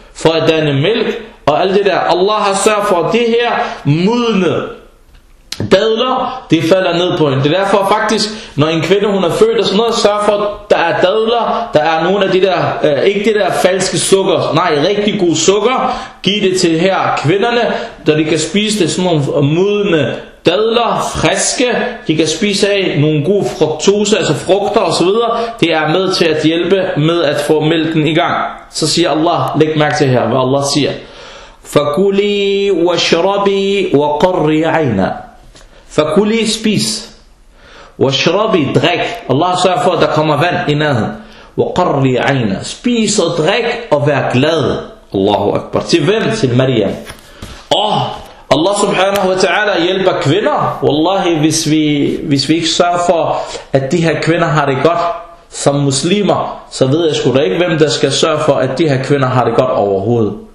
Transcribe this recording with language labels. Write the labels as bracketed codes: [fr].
[da] for at danne mælk og alt det der. Allah har sørget for, at det her modne dadler, det falder ned på hende. Det er derfor faktisk, når en kvinde hun er født og sådan noget, sørger for, at der er dadler, der er nogle af de der, ikke det der falske sukker, nej, rigtig god sukker, giv det til her kvinderne, da de kan spise det, sådan nogle modne dadler, friske, de kan spise af nogle gode fruktose, altså frugter osv., det er med til at hjælpe med at få mælken i gang. Så siger Allah, læg mærke til her, hvad Allah siger. [ar] فَكُلِي وَشْرَبِي وَقَرِّي عَيْنَا فَكُلِي [da] spis [ar] وَشْرَبِي [da] drik. Allah sørger for, at der kommer vand i nærheden. [ar] وَقَرِّي عَيْنَا [da] spis og drik og vær glad. Allahu Akbar. Til hvem? Til Maryam. Åh! Allah subhanahu wa ta'ala hjælper kvinder. Wallahi, hvis vi ikke sørger for, at de her kvinder har det godt som muslimer, så ved jeg sgu da ikke, hvem der skal sørge for, at de her kvinder har det godt overhovedet.